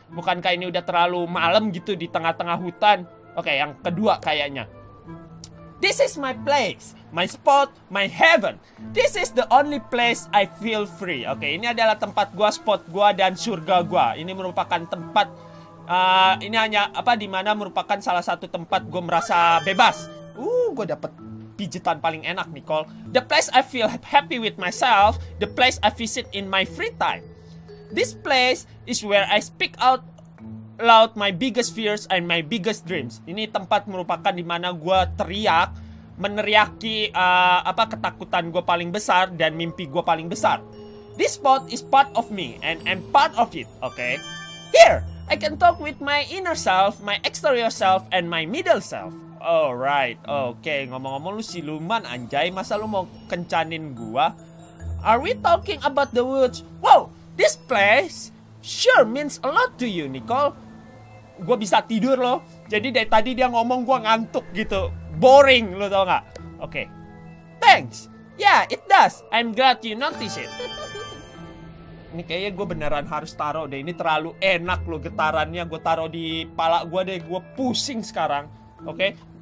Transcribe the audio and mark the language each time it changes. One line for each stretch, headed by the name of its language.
Indonesian: Bukankah ini udah terlalu malam gitu di tengah-tengah hutan? Okay, yang kedua kayaknya.
English: This is my place, my spot, my heaven. This is the only place I feel free.
Indonesian: Okay, ini adalah tempat gua, spot gua, dan surga gua. Ini merupakan tempat, ini hanya apa di mana merupakan salah satu tempat gua merasa bebas. Gua dapet pijitan paling enak, Nicole.
English: The place I feel happy with myself, the place I visit in my free time. This place is where I speak out loud my biggest fears and my biggest dreams.
Indonesian: Ini tempat merupakan di mana gua teriak. Meneriaki ketakutan gue paling besar dan mimpi gue paling besar.
English: This spot is part of me and I'm part of it, okay? Here, I can talk with my inner self, my exterior self, and my middle self.
Indonesian: Alright, okay. Ngomong-ngomong lu siluman anjay, masa lu mau kencanin gue?
English: Are we talking about the woods? Wow, this place sure means a lot to you, Nicole.
Indonesian: Gue bisa tidur loh. Jadi dari tadi dia ngomong gue ngantuk gitu.
English: Boring,
Indonesian: lo tau gak?
English: Okay. Thanks. Yeah, it does. I'm glad you notice it.
Indonesian: Ini kayaknya gue beneran harus taro deh. Ini terlalu enak lo getarannya. Gue taro di pala gue deh. Gue pusing sekarang. Okay.